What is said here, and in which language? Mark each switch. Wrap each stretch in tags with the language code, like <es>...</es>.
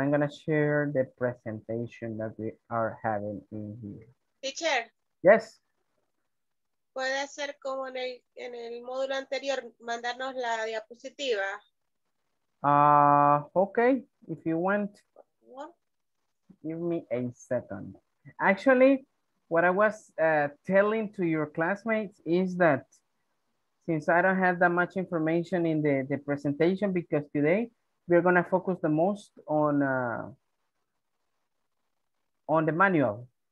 <en>I'm going to share the presentation that we are having in here. Teacher. Yes.</en> <es>¿Puede hacer como en el módulo anterior, mandarnos la diapositiva?</es> <en>Okay, if you want, give me a second. Actually, what I was telling to your classmates is that since I don't have that much information in the presentation, because today we're going to focus the most on the manual.</en>